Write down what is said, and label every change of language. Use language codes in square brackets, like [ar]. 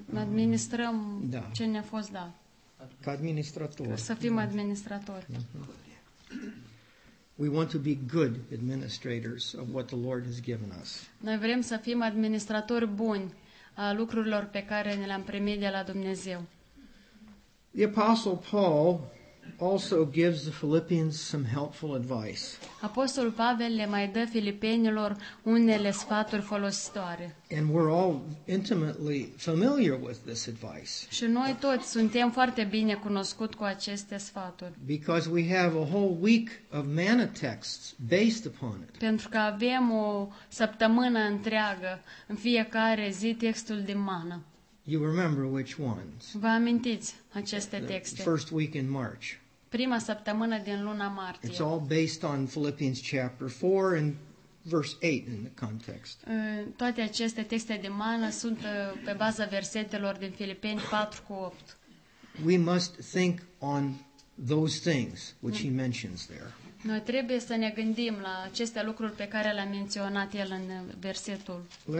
[ro] Administrăm ce ne-a fost dat. Ca administrator. Să fim administratori. [en] We want to be good administrators of what the Lord has given us. [ro] Noi vrem să fim administratori buni a lucrurilor pe care ne le-am primit de la Dumnezeu. [en] The Apostle Paul also gives the Philippians some helpful advice. [ro] Apostol Pavel le mai dă filipenilor unele sfaturi folositoare. [en] And we're all intimately familiar with this advice. [ro] Și noi toți suntem foarte bine cunoscuți cu aceste sfaturi. [en] Because we have a whole week of manna texts based upon it. [ro] Pentru că avem o săptămână întreagă în fiecare zi textul din mană. [en] You remember which ones? [ro] Vă amintiți aceste texte? [en] First week in March. [ro] Prima săptămână din luna martie. [en] It's all based on Philippians chapter 4 and verse 8 in the context. [ro] Toate aceste texte de mană sunt pe baza versetelor din Filipeni 4 cu 8. [en] We must think on those things which he mentions there. [ro] Noi trebuie să ne gândim la aceste lucruri pe care le-a menționat el în versetul 8.